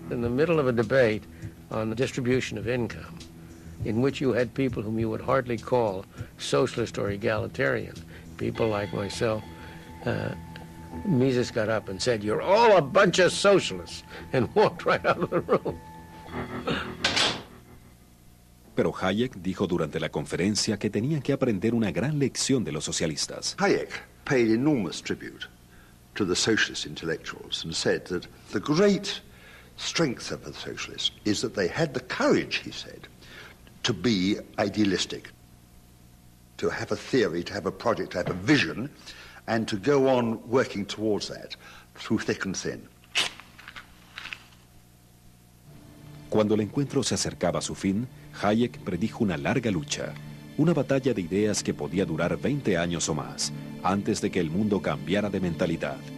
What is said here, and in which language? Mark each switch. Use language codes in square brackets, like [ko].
[en] In the middle of a debate on the distribution of income, in which you had people whom you would hardly call socialist or egalitarian, people like myself, Mises got up and said, "You're all a bunch of socialists," and walked right out of the room. [es] Pero Hayek dijo durante la conferencia que tenía que aprender una gran lección de los socialistas. [en] Hayek paid enormous tribute to the socialist intellectuals and said that the great strength of the socialists is that they had the courage, he said, to be idealistic, to have a theory, to have a project, to have a vision, and to go on working towards that through thick and thin. [es] Cuando el encuentro se acercaba a su fin, Hayek predijo una larga lucha, una batalla de ideas que podía durar 20 años o más, antes de que el mundo cambiara de mentalidad.